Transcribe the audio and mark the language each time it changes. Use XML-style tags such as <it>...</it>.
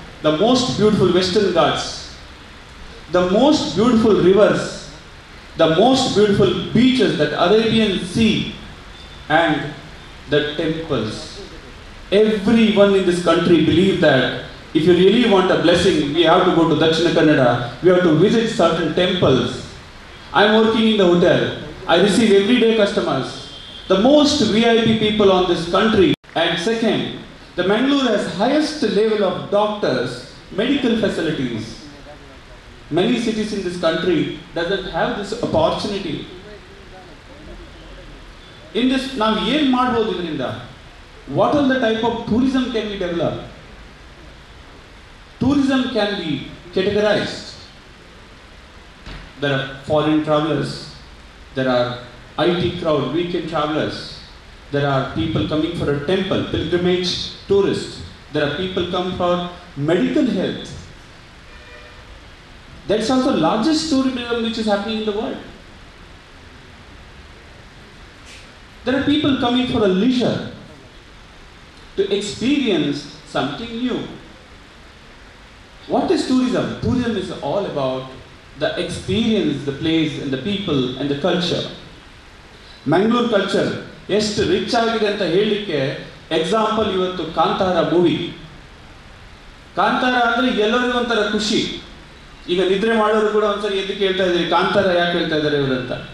<en>The most beautiful Western Ghats, the most beautiful rivers, the most beautiful beaches that Arabian Sea and the temples. Every one in this country believe that if you really want a blessing we have to go to Dakshina Kannada, we have to visit certain temples. I am working in the hotel, I receive every day customers. The most VIP people on this country. And second, the Mangalore has highest level of doctors, medical facilities. Many cities in this country doesn't have this opportunity. In this, now</en> <kn>yen madabodu idrinda,</kn> <en>what all the type of tourism can we develop? Tourism can be categorized. There are foreign travelers, there are IT crowd, weekend travelers. There are people coming for a temple, pilgrimage tourists. There are people come for medical health. That's also largest tourism which is happening in the world. There are people coming for a leisure, to experience something new. What is tourism? Tourism is all about the experience, the place and the people and the culture.</en> <kn>Mangalore culture ಎಷ್ಟು rich ಆಗಿದೆ ಅಂತ ಹೇಳಲಿಕ್ಕೆ example ಇವತ್ತು Kantara movie. Kantara ಅಂದರೆ ಎಲ್ಲರಿಗೂ ಒಂಥರ ಖುಷಿ. ಈಗ ನಿದ್ರೆ ಮಾಡೋರು ಕೂಡ ಒಂದ್ಸರಿ ಎದ್ದು ಕೇಳ್ತಾ ಇದ್ದಾರೆ, ಕಾಂತಾರ ಯಾಕೆ ಹೇಳ್ತಾ ಇದ್ದಾರೆ ಇವರಂತ.</kn>